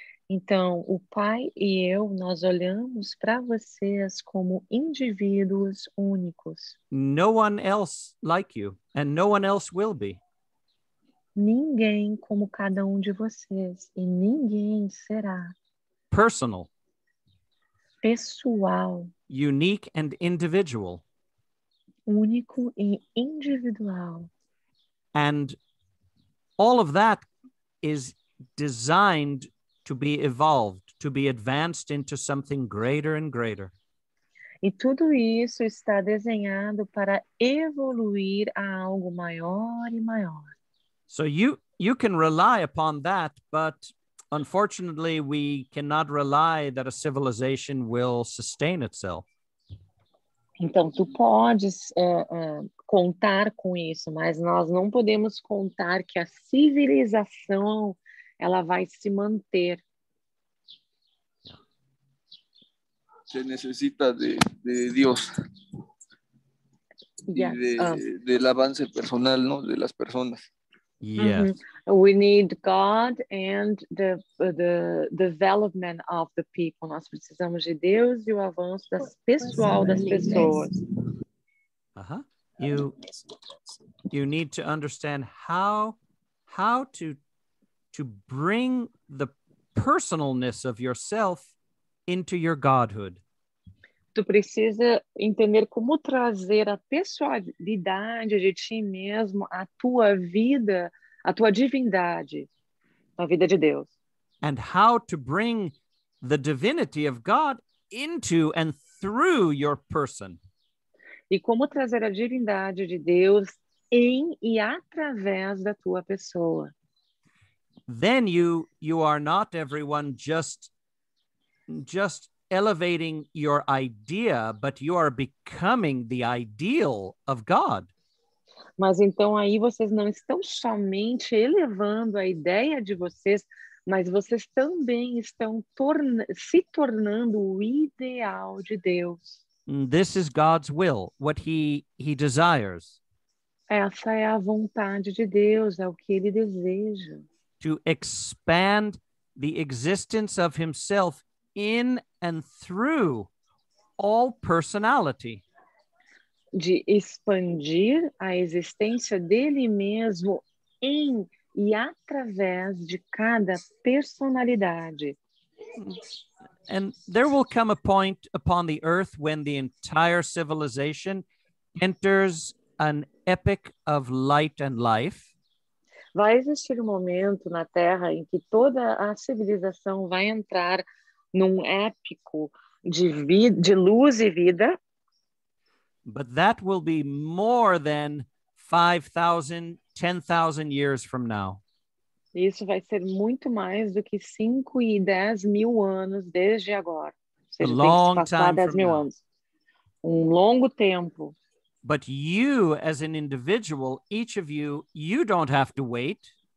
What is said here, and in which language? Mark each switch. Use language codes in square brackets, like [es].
[pt] Então, o pai e eu, nós olhamos para vocês como indivíduos únicos. [en] No one else like you, and no one else will be. [pt] Ninguém como cada de vocês, e ninguém será. [en] Personal. [pt] Pessoal. [en] Unique and individual. [pt] Único e individual. [en] And all of that is designed to be evolved, to be advanced into something greater and greater. [pt] E tudo isso está desenhado para evoluir a algo maior e maior. [en] So you can rely upon that, but unfortunately we cannot rely that a civilization will sustain itself. [pt] Então tu podes contar com isso, mas nós não podemos contar que a civilização ela vai se manter. [es] Se necesita de Dios. [en] Yes. [es] Del avance personal, ¿no? De las personas. [en] Yes. Mm-hmm. We need God and the development of the people. [pt] Nós precisamos de Deus e o avanço das pessoal das pessoas. Uh-huh. [en] You need to understand how to bring the personalness of yourself into your godhood. [pt] Tu precisa entender como trazer a pessoalidade de ti mesmo, a tua vida, a tua divindade, a vida de Deus. [en] And how to bring the divinity of God into and through your person. [pt] E como trazer a divindade de Deus em e através da tua pessoa. [en] Then you are not everyone just elevating your idea, but you are becoming the ideal of God. [pt] Mas então aí vocês não estão somente elevando a ideia de vocês, mas vocês também estão se tornando o ideal de Deus. [en] This is God's will, what he desires. [pt] Essa é a vontade de Deus, é o que ele deseja. [en] To expand the existence of himself in and through all personality. [pt] De expandir a existência dele mesmo em e através de cada personalidade. [en] And there will come a point upon the earth when the entire civilization enters an epoch of light and life. [pt] Vai existir um momento na Terra em que toda a civilização vai entrar num épico de luz e vida. [en] But that will be more than 5,000, 10,000 years from now. [pt] Isso vai ser muito mais do que 5 e 10 mil anos desde agora. Ou seja, tem que passar 10 mil anos. Um longo tempo. [en] But you, as an individual, each of you, you don't have to wait.